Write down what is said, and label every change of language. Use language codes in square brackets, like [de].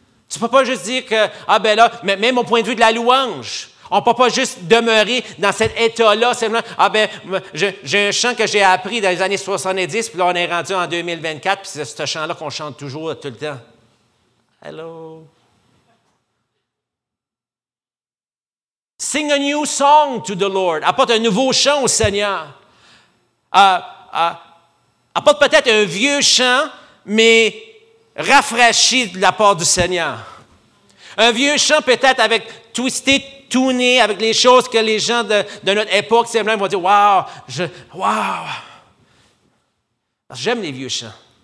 [fr] Tu ne peux pas juste dire que, ah ben là, même au point de vue de la louange, on ne peut pas juste demeurer dans cet état-là, simplement, ah ben, j'ai un chant que j'ai appris dans les années 70, puis là on est rendu en 2024, puis c'est ce chant-là qu'on chante toujours, tout le temps. [en] Hello? Sing a new song to the Lord. [fr] Apporte un nouveau chant au Seigneur. Apporte peut-être un vieux chant, mais rafraîchi de la part du Seigneur. Un vieux chant peut-être avec twisté, tourné, avec les choses que les gens de notre époque, c'est même, vont dire, wow, wow. J'aime les vieux chants.